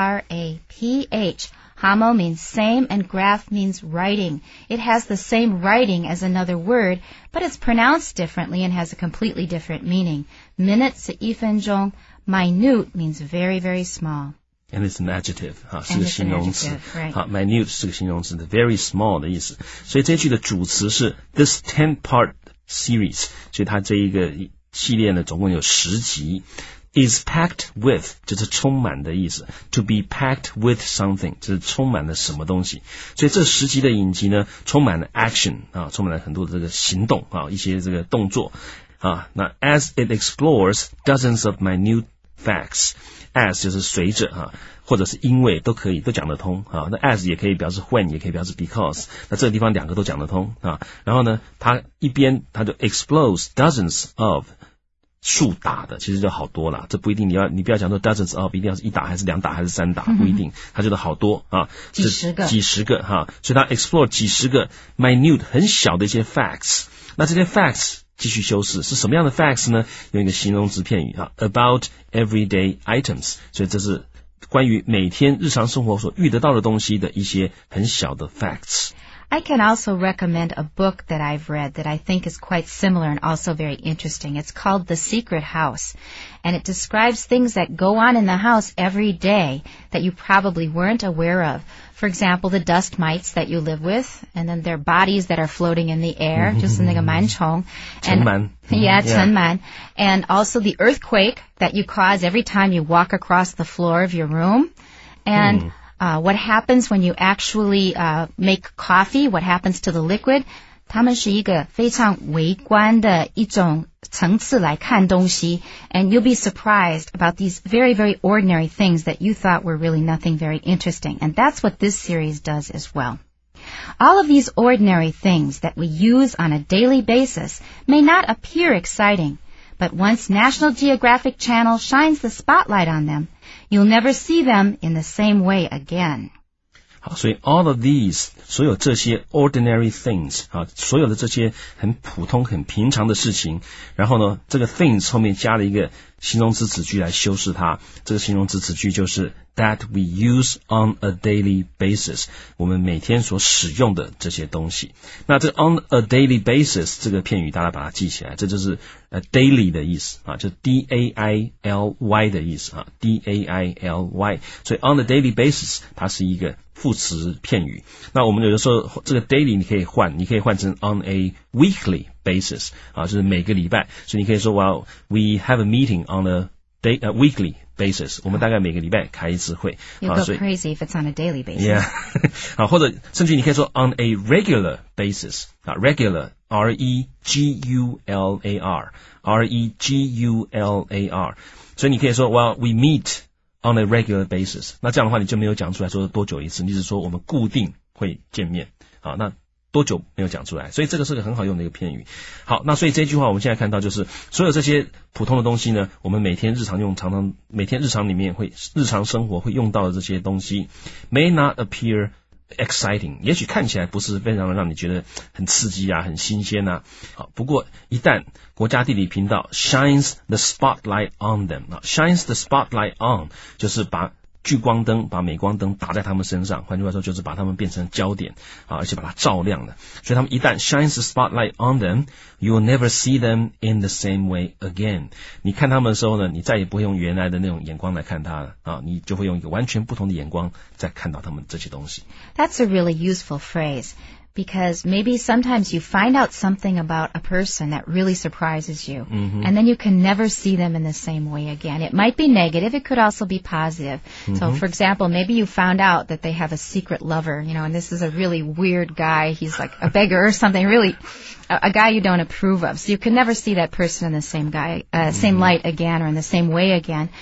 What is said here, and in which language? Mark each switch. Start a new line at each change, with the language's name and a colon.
English: H-O-M-O-G-R-A-P-H. Homo means same and graph means writing. It has the same writing as another word, but it's pronounced differently and has a completely different meaning. Minute
Chinese: 是一分钟,
English: minute means very, very small. And it's an adjective,
Chinese: 啊，是个形容词。好、right. 啊、minute 是个形容词的
English: very small
Chinese: 的意思。所以这句的主词是
English: this 10-part series,
Chinese: 所以它这一个系列呢总共有十集。
English: Is packed with,
Chinese: 就是充满的意思。
English: To be packed with something,
Chinese: 就是充满了什么东西。所以这十集的影集呢充满了 action, 啊充满了很多的这个行动啊一些这个动作。啊那
English: as it explores dozens of minute facts,
Chinese: as 就是随着啊或者是因为都可以都讲得通啊那 as 也可以表示 when, 也可以表示 because, 那这个地方两个都讲得通啊然后呢它一边它就
English: explores dozens of,
Chinese: 数打的其实就好多了这不一定你不要讲说 dozens of 一定要是一打还是两打还是三打不一定它就是好多啊几十个哈、啊、所以它 explore 几十个 minute 很小的一些 facts 那这些 facts 继续修饰是什么样的 facts 呢用一个形容词片语啊
English: about everyday items
Chinese: 所以这是关于每天日常生活所遇得到的东西的一些很小的 facts
English: I can also recommend a book that I've read that I think is quite similar and also very interesting. It's called The Secret House, and it describes things that go on in the house every day that you probably weren't aware of. For example, the dust mites that you live with, and then their bodies that are floating in the air, just in the manchong. Yeah, Chenman. And also the earthquake that you cause every time you walk across the floor of your room. And... what happens when you actually, make coffee? What happens to the liquid?
Chinese: 他们是一个非常微观的一种层次来看东西
English: And you'll be surprised about these very, very ordinary things that you thought were really nothing very interesting. And that's what this series does as well. All of these ordinary things that we use on a daily basis may not appear exciting, but once National Geographic Channel shines the spotlight on them,You'll never see them in the same way again.
Chinese: 好，所以
English: all of these,
Chinese: 所有这些
English: ordinary things,
Chinese: 啊，所有的这些很普通、很平常的事情，然后呢，这个 things 后面加了一个形容词子句来修饰它。这个形容词子句就是
English: that we use on a daily basis,
Chinese: 我们每天所使用的这些东西。那这个
English: on a daily basis
Chinese: 这个片语大家把它记起来，这就是A daily 的意思啊，就 daily 的意思啊 ，daily， 所以 on a daily basis 它是一个副词片语。那我们有的时候这个 daily 你可以换，你可以换成
English: on a weekly basis
Chinese: 啊，就是每个礼拜。所以你可以说
English: ，Well, we have a meeting on a weekly basis。
Chinese: 我们大概每个礼拜开一次会。
English: You'll go crazy if it's on a daily basis.
Chinese: Yeah， 或者甚至你可以说
English: on a regular basis
Chinese: 啊 ，regular。 R-E-G-U-L-A-R R-E-G-U-L-A-R 所以你可以说
English: Well, we meet on a regular basis
Chinese: 那这样的话你就没有讲出来说多久一次你是说我们固定会见面好，那多久没有讲出来所以这个是个很好用的一个片语好，那所以这句话我们现在看到就是所有这些普通的东西呢我们每天日常用常常每天日常里面会日常生活会用到的这些东西
English: May not appear
Chinese: exciting， 也许看起来不是非常的让你觉得很刺激啊，很新鲜啊。好，不过一旦国家地理频道
English: shines the spotlight on them， shines the spotlight on
Chinese: 就是把聚光灯，把镁光灯打在他们身上，换句话说就是把他们变成焦点啊，而且把它照亮了。所以他们一旦
English: shines the spotlight on them， you will never see them in the same way again。
Chinese: 你看他们的时候呢，你再也不会用原来的那种眼光来看他了啊，你就会用一个完全不同的眼光再看到他们这些东西。
English: That's a really useful phrase because maybe sometimes you find out something about a person that really surprises you、 mm-hmm. and then you can never see them in the same way again. It might be negative, it could also be positive、 mm-hmm. So for example, maybe you found out that they have a secret lover, you know, and this is a really weird guy, he's like a beggar or something, really a guy you don't approve of, so you can never see that person in the same guy、same light again or in the same way again、